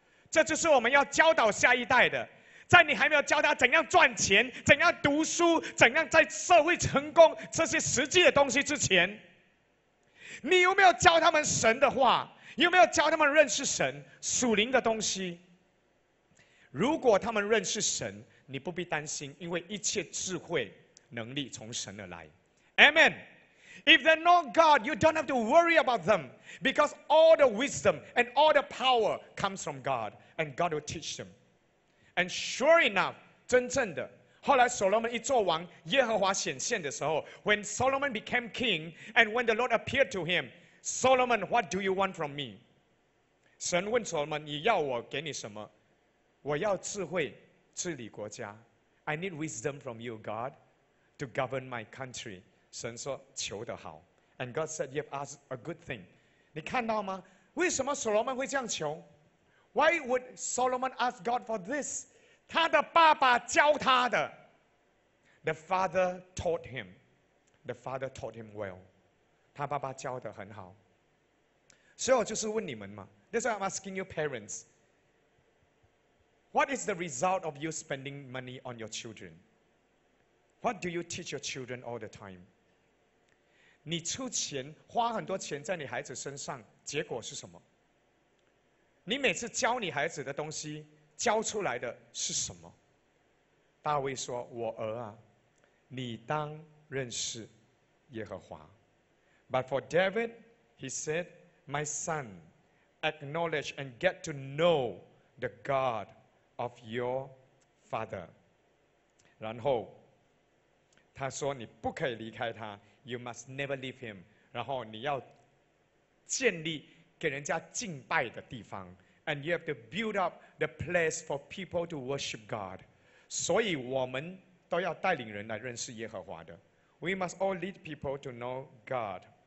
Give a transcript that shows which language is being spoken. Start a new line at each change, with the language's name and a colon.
Chinese: 这就是我们要教导下一代的，在你还没有教他怎样赚钱、怎样读书、怎样在社会成功这些实际的东西之前，你有没有教他们神的话？有没有教他们认识神属灵的东西？如果他们认识神，你不必担心，因为一切智慧能力从神而来。
English: Amen. If they know God, you don't have to worry about themBecause all the wisdom and all the power comes from God, and God will teach them. And sure enough,
Chinese: 真正的，后来所罗门一做王，耶和华显现的时候，
English: when Solomon became king, and when the Lord appeared to him, Solomon, what do you want from me?
Chinese: 神问所罗门，你要我给你什么？我要智慧治理国家。
English: I need wisdom from you, God, to govern my country.
Chinese: 神说，求得好。
English: And God said, you've asked a good thing.
Chinese: 你看到吗？为什么所罗门会这样求？
English: Why would Solomon ask God for this?
Chinese: 他的爸爸教他的。
English: The father taught him. The father taught him well.
Chinese: 他爸爸教得很好。所以我就是问你们嘛。
English: That's why I'm asking your parents. What is the result of you spending money on your children? What do you teach your children all the time?
Chinese: 你出钱花很多钱在你孩子身上，结果是什么？你每次教你孩子的东西教出来的是什么？大卫说，我儿啊，你当认识耶和华。
English: But for David, he said, my son, acknowledge and get to know the God of your father.
Chinese: 然后他说，你不可以离开他。
English: You must never leave him.
Chinese: 然后你要建立给人家敬拜的地方。
English: And you have to build up the place for people to worship God.
Chinese: 所以我们都要带领人来认识耶和华的。
English: We must all lead people to know God.